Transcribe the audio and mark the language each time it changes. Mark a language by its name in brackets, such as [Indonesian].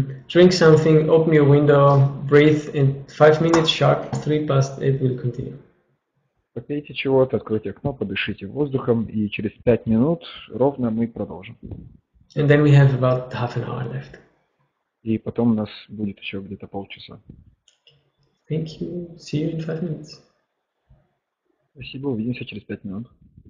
[English] Drink something, open your window, breathe, and 5 minutes sharp, 3 past 8 will continue. [Russian] Попейте чего-то, откройте окно, подышите воздухом, и через 5 минут ровно мы продолжим. [English] And then we have about half an hour left. [Russian] И потом у нас будет еще где-то полчаса. [English] Thank you. See you in 5 minutes. [Russian] Спасибо, увидимся через 5 минут.